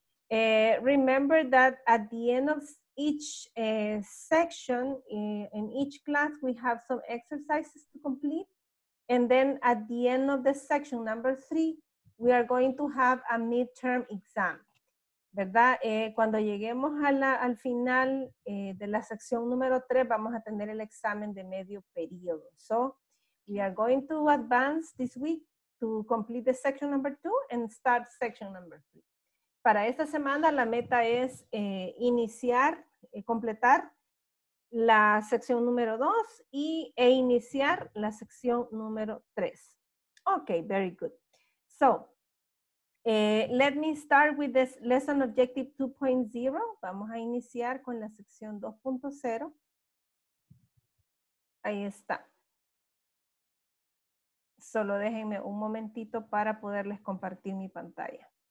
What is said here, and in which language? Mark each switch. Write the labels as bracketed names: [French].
[English] Remember that at the end of each section in each class, we have some exercises to complete. And then at the end of the section number three, we are going to have a midterm exam, [Spanish] ¿verdad? Cuando lleguemos a al final de la sección número tres, vamos a tener el examen de medio periodo. [English] So we are going to advance this week to complete the section number two and start section number three. [Spanish] Para esta semana, la meta es iniciar, completar la sección número 2 e iniciar la sección número 3. [English] Okay, very good. So, let me start with this lesson objective 2.0. [Spanish] Vamos a iniciar con la sección 2.0. Ahí está. Solo déjenme un momentito para poderles compartir mi pantalla.